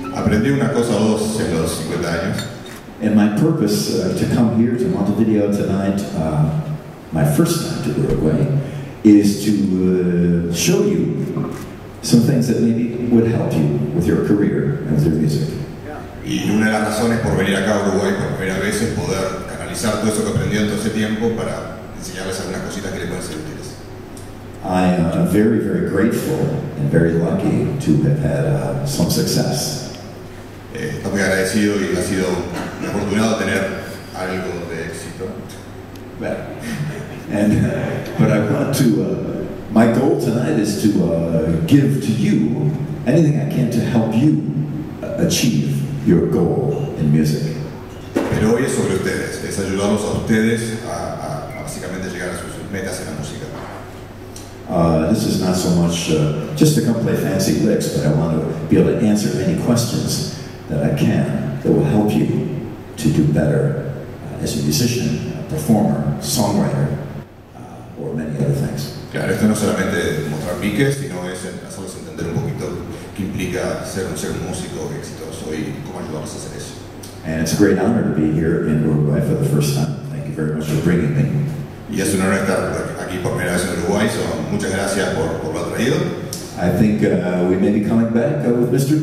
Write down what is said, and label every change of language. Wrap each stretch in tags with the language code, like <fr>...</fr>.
<es>Aprendí una cosa o dos en los 50 años.</es> <en>And my purpose to come here to Montevideo tonight, my first time to Uruguay, is to show you some things that maybe would help you with your career and with your music.</en> <es>Y una de las razones por venir acá a Uruguay por primera vez es poder canalizar todo eso que aprendí en todo ese tiempo para enseñarles algunas cositas que les pueden ser útiles.</es> <en>I am very, very grateful and very lucky to have had some success.</en> <es>Estoy muy agradecido y ha sido afortunado tener algo de éxito.</es> <en>And, but I want to, my goal tonight is to give to you anything I can to help you achieve your goal in music.</en> <es>Pero hoy es sobre ustedes, es ayudarlos a ustedes a básicamente llegar a sus metas en la música.</es> <en>This is not so much just to come play fancy licks, but I want to be able to answer any questions that I can that will help you to do better as a musician, a performer, songwriter, or many other things.</en> <es>Claro, esto no solamente mostrar piques, sino es hacerles entender un poquito qué implica ser un músico exitoso y cómo ayudarlos a hacer eso.</es> <en>And it's a great honor to be here in Uruguay for the first time. Thank you very much for bringing me.</en> <es>Y es un honor estar aquí por primera vez en Uruguay, so muchas gracias por lo traído.</es> <en>I think we may be coming back with Mr.</en>